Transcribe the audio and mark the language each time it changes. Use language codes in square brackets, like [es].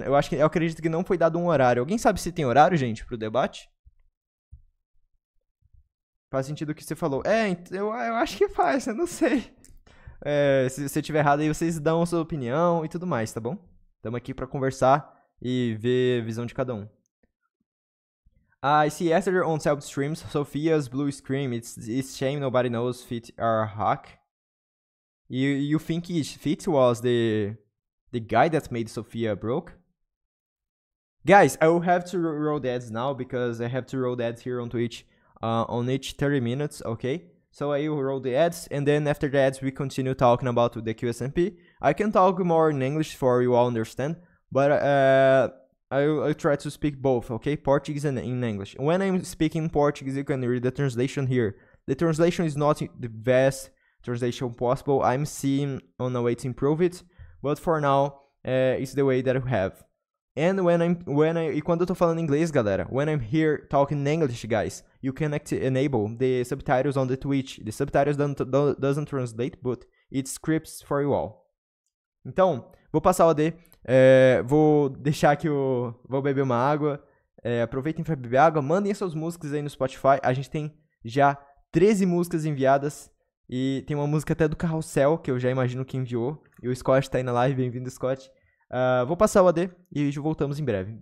[pt] Eu acredito que não foi dado um horário. Alguém sabe se tem horário, gente, pro debate? Faz sentido o que você falou. Eu acho que faz, eu não sei. Se tiver errado aí, vocês dão a sua opinião e tudo mais, tá bom? Estamos aqui pra conversar e ver a visão de cada um. [en] I see Esther on self-streams, Sophia's blue scream, it's shame nobody knows fit our hack. You think Fitz was the guy that made Sophia broke? Guys, I will have to roll the ads now because I have to roll the ads here on Twitch on each 30 minutes, okay? So I will roll the ads and then after the ads we continue talking about the QSMP. I can talk more in English for you all understand, but I'll try to speak both, okay? Portuguese and in English. When I'm speaking Portuguese, you can read the translation here. The translation is not the best translation possible. I'm seeing on a way to improve it, but for now it's the way that I have. And [pt] quando eu tô falando inglês, galera, [en] when I'm here talking English, guys, you can enable the subtitles on the Twitch. The subtitles doesn't translate, but it scripts for you all. [pt] Então, vou passar o AD, vou deixar aqui vou beber uma água, aproveitem para beber água, mandem suas músicas aí no Spotify. A gente tem já 13 músicas enviadas. E tem uma música até do Carrossel, que eu já imagino que enviou. E o Scott tá aí na live, bem-vindo, Scott. Vou passar o AD e já voltamos em breve.